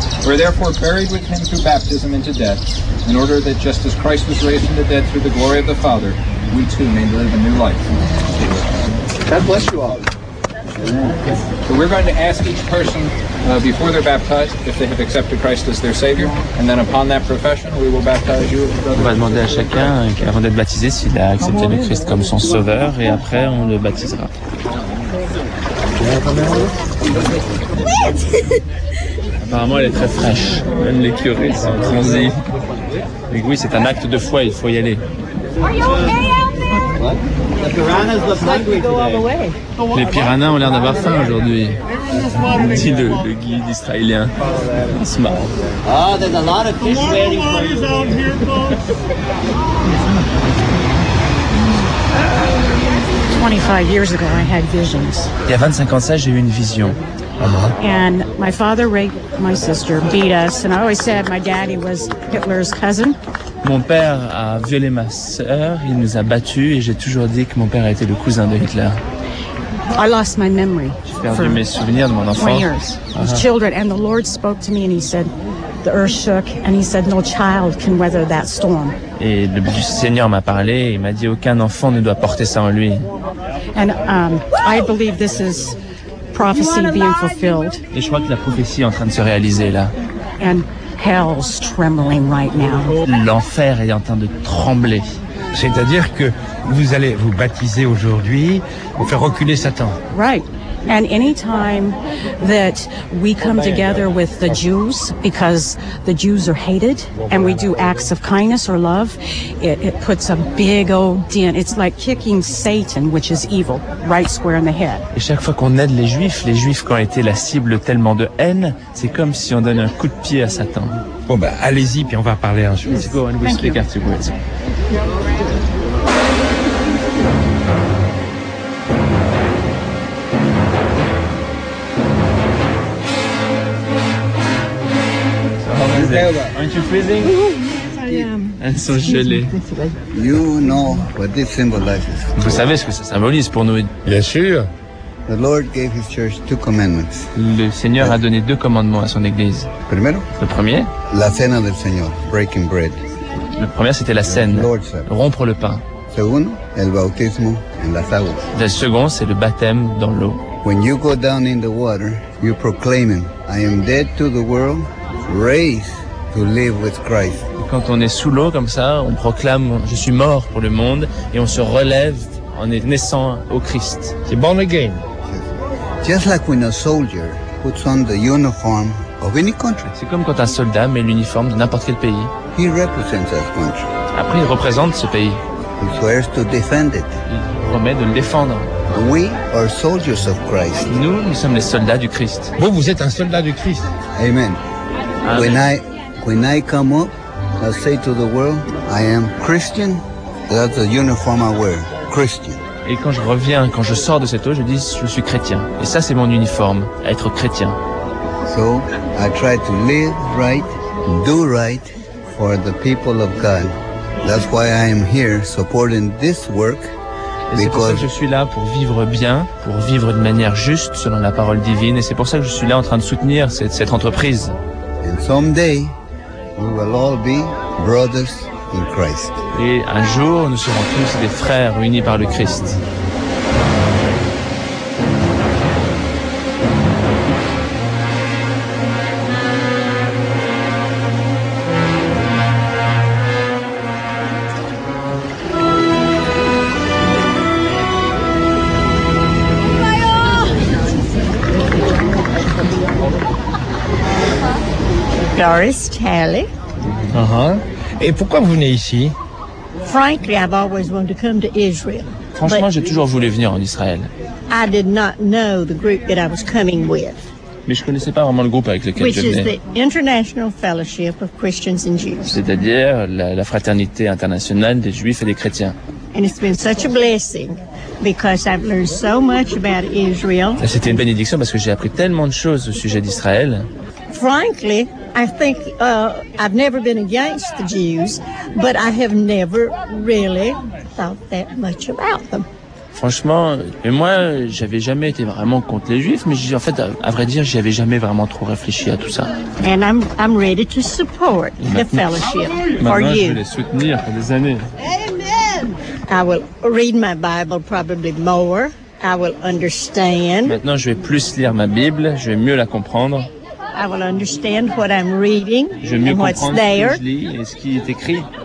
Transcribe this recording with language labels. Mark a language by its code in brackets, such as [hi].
[en] We're therefore buried with him through baptism into death, in order that just as Christ was raised from the dead through the glory of the Father, we too may live a new life. God bless you all. So we're going to ask each person before they're baptized if they have accepted Christ as their Savior, and then upon that profession, we will baptize you. [fr] On va demander à chacun avant d'être baptisé s'il a accepté le Christ comme son Sauveur, et après on le baptisera. Apparemment, elle est très fraîche. Même les curés sont bronzés. Mais oui, c'est un acte de foi. Il faut y aller. Les piranhas ont l'air d'avoir faim aujourd'hui. Dit le guide israélien. On se marre. [en] Oh, there's a lot of fish waiting for you. [fr] Il y a 25 ans, j'ai eu une vision. [en] And my father raped my sister, beat us, and I always said my daddy was Hitler's cousin. [fr] Mon père a violé ma sœur, il nous a battus, et j'ai toujours dit que mon père était le cousin de Hitler. [en] I lost my memory. [fr] J'ai perdu mes souvenirs de mon enfant. [en] His children, and the Lord spoke to me, and he said, the earth shook, and he said, no child can weather that storm. [fr] Et le Seigneur m'a parlé, il m'a dit, aucun enfant ne doit porter ça en lui. [en] And I believe this is prophecy being fulfilled. [fr] Et je crois que la prophétie est en train de se réaliser là. [en] And hell's trembling right now. [fr] L'enfer est en train de trembler. C'est-à-dire que vous allez vous baptiser aujourd'hui pour faire reculer Satan. [en] Right. And any time that we come together with the Jews, because the Jews are hated, and we do acts of kindness or love, it puts a big old dent. It's like kicking Satan, which is evil, right square in the head. [fr] Et chaque fois qu'on aide les Juifs qui ont été la cible tellement de haine, c'est comme si on donne un coup de pied à Satan. Bon ben, allez-y, puis on va parler ensuite. [en] Let's go and we speak afterwards. Aren't you freezing? [fr] Elles sont gelées. [en] You know what this symbolizes. [fr] Vous savez ce que ça symbolise pour nous? Bien sûr. [en] The Lord gave his church two commandments. [fr] Le Seigneur a donné deux commandements à son église. [es] Primero, [fr] le premier, [es] la cena del Señor, [en] breaking bread. [fr] Le premier, c'était la cène, rompre le pain. [es] Segundo, el bautismo en las aguas. [fr] Le second, c'est le baptême dans l'eau. [en] When you go down in the water, you proclaim, I am dead to the world, raised to live with Christ. [fr] Quand on est sous l'eau comme ça, on proclame, je suis mort pour le monde, et on se relève en naissant au Christ. [en] C'est born again. Just like when a soldier puts on the uniform of any country. [fr] C'est comme quand un soldat met l'uniforme de n'importe quel pays. [en] He represents that country. [fr] Après, il représente ce pays. [en] He swears to defend it. [fr] Il promet de le défendre. [en] We are soldiers of Christ. [fr] Nous, nous sommes les soldats du Christ. Vous, vous êtes un soldat du Christ. [en] Amen. Amen. When I come up, I say to the world, I am Christian. That's the uniform I wear. Christian. [fr] Et quand je reviens, quand je sors de cette eau, je dis, je suis chrétien. Et ça, c'est mon uniforme, être chrétien. [en] So, I try to live right, do right for the people of God. That's why I am here supporting this work. [fr] Et c'est pour ça que je suis là, pour vivre bien, pour vivre de manière juste, selon la parole divine. Et c'est pour ça que je suis là en train de soutenir cette entreprise. [en] And someday, we will all be brothers in Christ. [fr] Et un jour, nous serons tous des frères unis par le Christ. Doris Talley. Et pourquoi vous venez ici? [en] Frankly, I've always wanted to come to Israel. [fr] Franchement, j'ai toujours voulu venir en Israël. [en] I did not know the group that I was coming with. [fr] Mais je ne connaissais pas vraiment le groupe avec lequel je venais. [en] Which is the International Fellowship of Christians and Jews. [fr] C'est-à-dire la fraternité internationale des Juifs et des Chrétiens. [en] And it's been such a blessing because I've learned so much about Israel. [fr] Ça, c'était une bénédiction parce que j'ai appris tellement de choses au sujet d'Israël. [en] Frankly, I think I've never been against the Jews, but I have never really thought that much about them. [fr] Franchement, et moi, j'avais jamais été vraiment contre les Juifs, mais en fait, à vrai dire, j'y avais jamais vraiment trop réfléchi à tout ça. [en] And I'm ready to support the fellowship for you. [fr] Maintenant, je vais les soutenir pour des années. [en] Amen. I will read my Bible probably more. I will understand. [fr] Maintenant, je vais plus lire ma Bible. Je vais mieux la comprendre. [en] I will understand what I'm reading and what's there. [fr] Je vais mieux comprendre ce que je lis et ce qui est écrit.